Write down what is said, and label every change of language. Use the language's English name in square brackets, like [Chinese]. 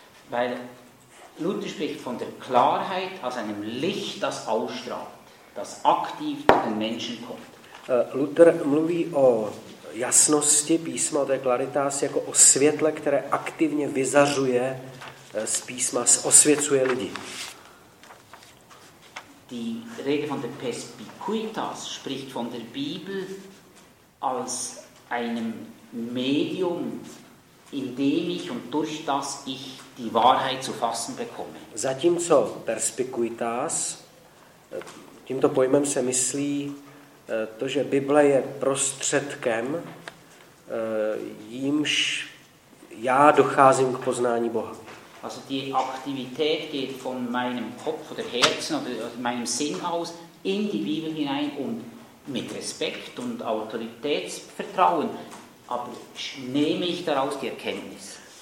[German] Weil Luther spricht von der Klarheit als einem Licht, das ausstrahlt, das aktiv zu den Menschen kommt. [Czech] Luther mluví o jasnosti písma, o té claritas, jako o světle, které aktivně vyzařuje z písma, osvěcuje lidi. [German] Die Rede von der Perspicuitas spricht von der Bibel als einem Medium, in dem ich und durch das ich die Wahrheit zu fassen bekomme. [Czech] Zatímco Perspicuitas, tímto pojmem se myslí to, že Bible je prostředkem, jímž já docházím k poznání Boha. [German] Also die Aktivität geht von meinem Kopf oder Herzen oder meinem Sinn aus in die Bibel hinein und mit Respekt und Autoritätsvertrauen, aber nehme ich daraus die Erkenntnis.